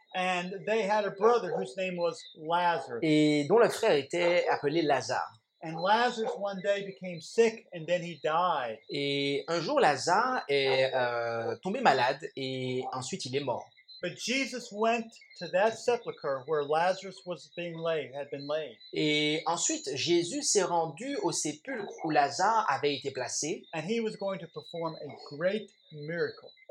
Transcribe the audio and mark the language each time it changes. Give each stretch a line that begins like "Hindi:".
English: And they had a brother whose name was Lazarus.
French: Et dont le frère était appelé Lazare.
English: And Lazarus one day became sick and then he died.
French: Et un jour Lazare est tombé malade et ensuite il est mort.
English: But Jesus went to that sepulcher where Lazarus was being laid, had been laid.
French: Et ensuite, Jésus s'est rendu au sépulcre où Lazare avait été placé.
English: And he was going to perform a great miracle.